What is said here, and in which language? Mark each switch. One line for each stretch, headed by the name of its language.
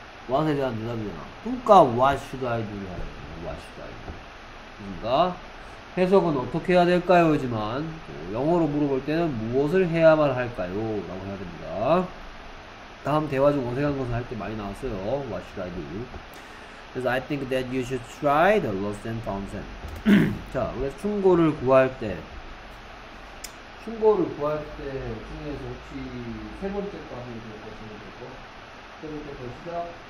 English: what에
Korean: 대한 대답이잖아. 그러니까
English: what should I do? What should I do?
Korean: 그러니까 해석은 어떻게 해야 될까요?지만 영어로 물어볼 때는 무엇을 해야만 할까요? 라고 해야 됩니다. 다음 대화 중 어색한 것을 할 때 많이 나왔어요.
English: What should I do?
Korean: 그래서
English: I think that you should try the lost and found sand.
Korean: 자, 그래서 충고를 구할 때 충고를 구할 때 중에서 혹시 세 번째 거 하면 될 것 같은데 세 번째 거 시작.